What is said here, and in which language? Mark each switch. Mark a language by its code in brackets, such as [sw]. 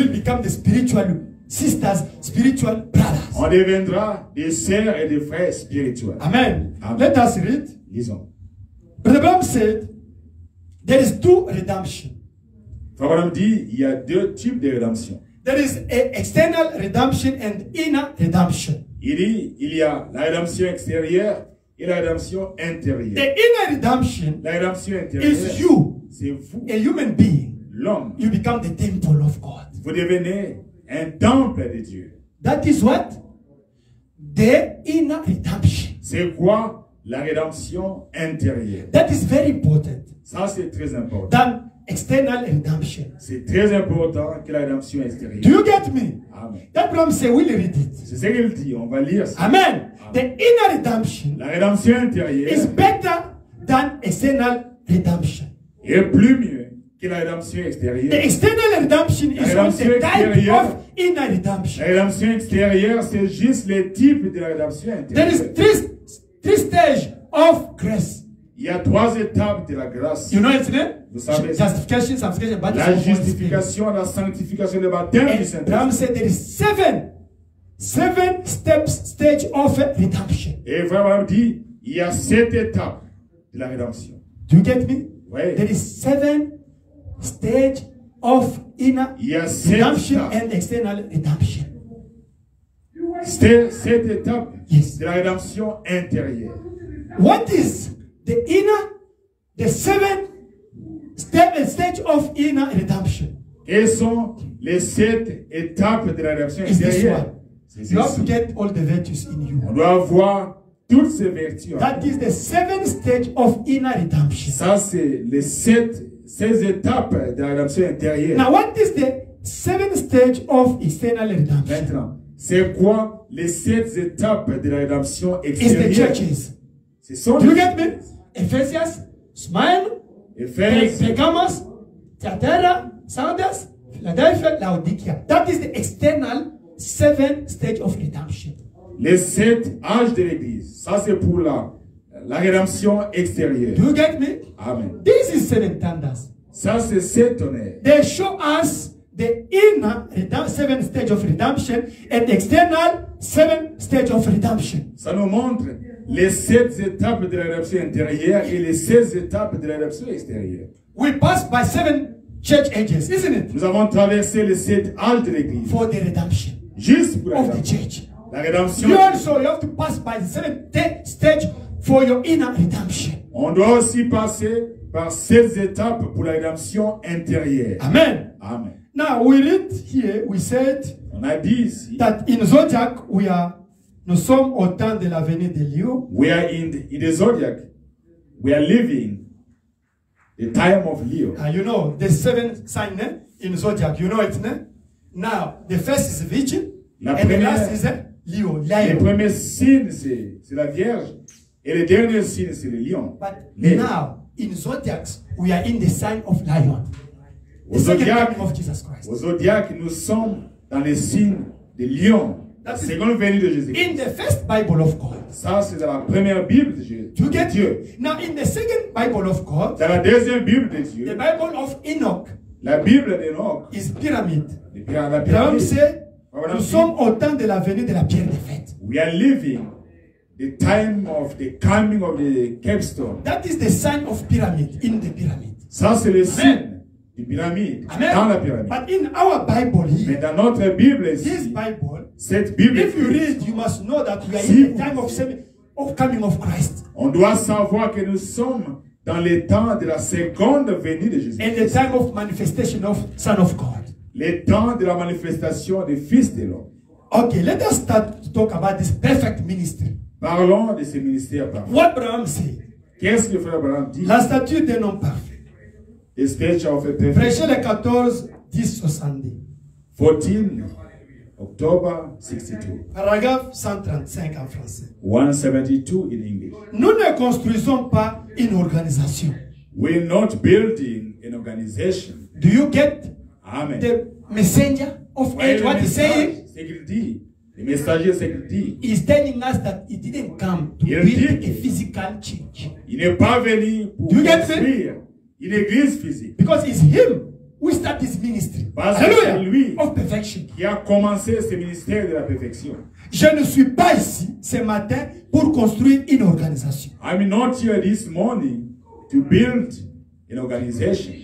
[en] You will become the spiritual sisters, spiritual brothers. [fr] On deviendra des sœurs et des frères spirituels. [en] Amen. Amen. Let us read. [fr] Lisons. [en] Brother Bram said, there is two redemption. [fr] Frère Bram dit, il y a deux types de redemption. [en] There is an external redemption and inner redemption. [fr] Il dit, il y a la rédemption extérieure et la rédemption intérieure. [en] The inner redemption, [fr] la rédemption intérieure, [en] is you, [fr] c'est vous, [en] a human being, [fr] l'homme. [en] You become the temple of God. [fr] Vous devenez un temple de Dieu. [en] That is what the inner redemption. [fr] C'est quoi la rédemption intérieure? [en] That is very important. [fr] Ça c'est très important. [en] Than external redemption. [fr] C'est très important que la rédemption extérieure. [en] Do you get me? Amen. That problem say we'll read it. [fr] C'est ce qu'il dit. On va lire ça. [en] Amen. Amen. The inner redemption. [fr] La rédemption intérieure. [en] Is better than external redemption. [fr] Et plus mieux que la rédemption extérieure. [en] The external redemption is only the type of inner redemption. [fr] La rédemption extérieure c'est juste le type de la rédemption intérieure. [en] There is three stages of grace. [fr] Il y a trois étapes de la grâce. [en] You know its name? [fr] Vous savez, [en] justification, sanctification, baptism. [fr] La justification, la sanctification, le baptême du Saint-Esprit. [en] Abraham said there is seven steps, stage of redemption. [fr] Et Abraham dit, il y a sept étapes de la rédemption. [en] Do you get me? [fr] Oui. [en] There is seven stage of inner redemption [fr] étapes. [en] And external redemption. [fr] Sept étapes, [en] yes, [fr] de la rédemption intérieure. [en] What is the inner, the seventh step and stage of inner redemption? [fr] Quelles sont les sept étapes de la rédemption intérieure? [en] You have to get all the virtues in you. [fr] On doit avoir toutes ces vertus. [en] That is the seventh stage of inner redemption. [fr] Ça c'est les sept étapes de la rédemption intérieure. [en] Now what is the seventh stage of external redemption? [fr] Maintenant, c'est quoi les sept étapes de la rédemption extérieure? [en] Is the churches. Do you get me? Ephesians, Smyrna, Ephesians, Pergamos, Thyatira, Sardis, Philadelphia, Laodicea. That is the external seven stage of redemption. [fr] Les sept âges de l'église. Ça c'est pour la rédemption extérieure. [en] Do you get me? Amen. This is seven tonnerres. [fr] Ça c'est sept tonnerres. [en] They show us the inner seven stage of redemption and the external seven stage of redemption. [fr] Ça nous montre les sept étapes de la rédemption intérieure et les sept étapes de la rédemption extérieure. [en] We pass by seven church ages, isn't it? [fr] Nous avons traversé les sept âges de l'église. [en] For the redemption. [fr] Juste pour la [en] of the church. [fr] La rédemption. [en] You also have to pass by the seven stage for your inner redemption. [fr] On doit aussi passer par sept étapes pour la rédemption intérieure. [en] Amen. Amen. Now we read here. We said. [fr] On a dit ici, [en] that in Zodiac we are. [fr] Nous sommes au temps de l'avenir de Lyon. [en] We are in the zodiac. We are living the time of Leo. And you know the seven sign name in zodiac. You know it, name. Now the first is Virgin, and the last is Leo. [fr] Le premier signe c'est la Vierge, et le dernier signe c'est le Lion. [en] But Lion. Now in zodiacs we are in the sign of Lion. [fr] Au [en] the zodiac, second coming of Jesus Christ. [fr] Au zodiac nous sommes dans le signe de Lion. [en] That's second venue of Jesus. In the first Bible of God. [fr] Ça c'est dans la première Bible de Dieu. [en] To get you. Now in the second Bible of God. [fr] Dans la deuxième Bible de Dieu. [en] The Bible of Enoch. [fr] La Bible d'Enoch. [en] Is pyramid. [fr] La pyramide. Abraham [en] said, [fr] "Nous sommes au temps de la venue de la pierre de fête." [en] We are living the time of the coming of the capstone. That is the sign of pyramid in the pyramid. [fr] Ça c'est le signe de pyramide. [en] Amen. [fr] Dans la pyramide. [en] But in our Bible here. [fr] Mais dans notre Bible ici. [en] This Bible. [fr] Cette Bible, [en] if you read, you must know that we are in the time of coming of Christ. [fr] On doit savoir que nous sommes dans le temps de la seconde venue de Jésus. [en] And the time of manifestation of Son of God. [fr] Le temps de la manifestation du Fils de l'homme. [en] Okay, let us start to talk about this perfect ministry. [fr] Parlons de ce ministère parfait. [en] What Abraham said. [fr] Qu'est-ce que frère Abraham dit? La statue des noms parfaits. [en] The statue of a perfect. [fr] Prêchez le 14, 10 au Sunday. [en] 14. October 62. [fr] Paragraph 135 en français. [en] 172 in English. [fr] Nous ne construisons pas une organisation. [en] We're not building an organization. Do you get? Amen. The messenger of age, well, what he saying? Security. The messenger security. He's telling us that he didn't come to build a physical church. [fr] Il n'est pas venu pour. [en] Do you get it? [fr] Une église physique. [en] Because it's him. We start this ministry. [fr] Parce que c'est lui [en] of perfection. [fr] Qui a commencé ce ministère de la perfection. Je ne suis pas ici ce matin pour construire une organisation. [en] I'm not here this morning to build an organization.